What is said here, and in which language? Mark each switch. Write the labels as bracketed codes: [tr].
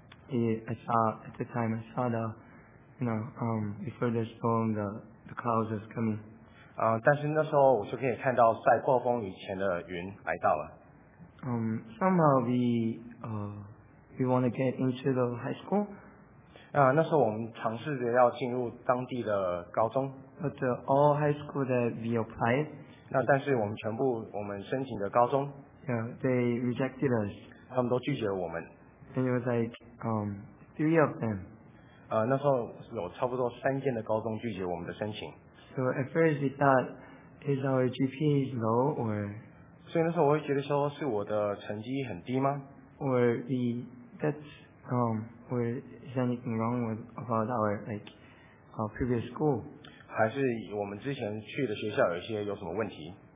[en] I saw before the storm, the clouds was coming. [zh] 但是那时候我就可以看到在暴风雨前的云来到了。 [en] Somehow we want to get into the high school. [zh] 那时候我们尝试着要进入当地的高中。 [en] But all high school that we applied. [zh] 那但是我们申请的高中。 [en] Yeah, they rejected us. [zh] 他们都拒绝了我们。 [en] And it was like three of them. [zh] 那时候有差不多三间的高中拒绝我们的申请。 [en] So at first we thought is our GPA is low or. [zh] 所以那时候我会觉得说是我的成绩很低吗 [en] ？Or we that's or is anything wrong with about our like our previous school? [zh] 还是我们之前去的学校有什么问题